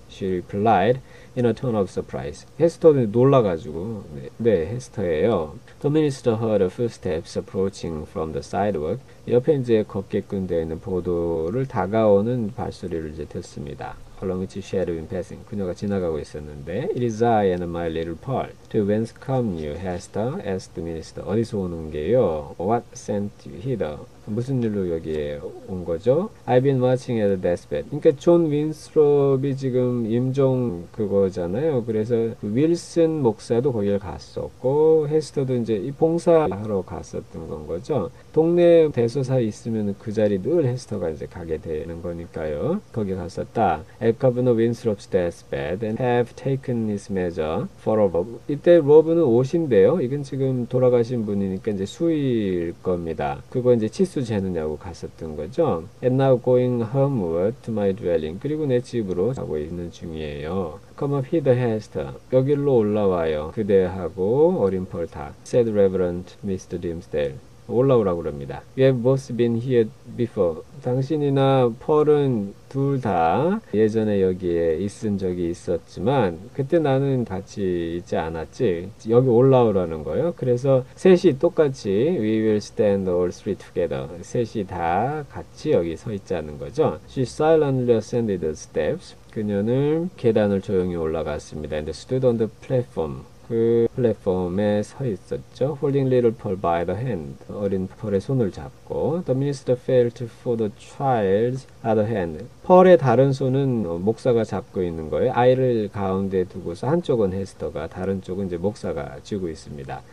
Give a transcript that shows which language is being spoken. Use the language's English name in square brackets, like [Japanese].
[English] She replied in a tone of surprise. [Korean] 헤스터는 놀라가지고, 네, 헤스터예요. [English] The minister heard footsteps approaching from the sidewalk. [Korean] 옆에 이제 걷게끈대는 보도를 다가오는 발소리를 이제 듣습니다. [English] Along with shadow in passing. [Korean] 그녀가 지나가고 있었는데, [English] It is I and my little Paul. To whence come you, Hester? asked the minister. [Korean] 어디서 오는 게요? [English] What sent you hither? [Korean] 무슨 일로 여기에 온 거죠? [English] I've been watching at the deathbed. [Korean] 그러니까 존 윈스롭이 지금 임종 그거잖아요. 그래서 윌슨 목사도 거기를 갔었고, 헤스터도 이제 이 봉사하러 갔었던 건 거죠. 동네 대소사 있으면 그 자리 늘 헤스터가 이제 가게 되는 거니까요. 거기 갔었다. [English] I've come to Winthrop's deathbed and have taken his measure for a robe. [Korean] 이때 로브는 옷인데요. 이건 지금 돌아가신 분이니까 이제 수의일 겁니다. 그거 이제 치수 재느냐고 갔었던 거죠. [English] And now going homeward to my dwelling. [Korean] 그리고 내 집으로 가고 있는 중이에요. [English] Come up hither, Hester. [Korean] 여기로 올라와요. 그대하고 어린 펄 다. [English] Said Reverend Mr. Dimmesdale. [Korean] 올라오라고 그럽니다. [English] We have both been here before. [Korean] 당신이나 펄은 둘다 예전에 여기에 있은 적이 있었지만 그때 나는 같이 있지 않았지. 여기 올라오라는 거예요. 그래서 셋이 똑같이 [English] We will stand all three together. [Korean] 셋이 다 같이 여기 서 있자는 거죠. [English] She silently ascended the steps. [Korean] 그녀는 계단을 조용히 올라갔습니다. [English] And stood on the platform. [Korean] 그 플랫폼에 서 있었죠. [English] Holding little Pearl by the hand. [Korean] 어린 펄의 손을 잡고. [English] The minister felt for the child's other hand. [Korean] 펄의 다른 손은 목사가 잡고 있는 거예요. 아이를 가운데 두고서 한쪽은 헤스터가, 다른 쪽은 이제 목사가 쥐고 있습니다.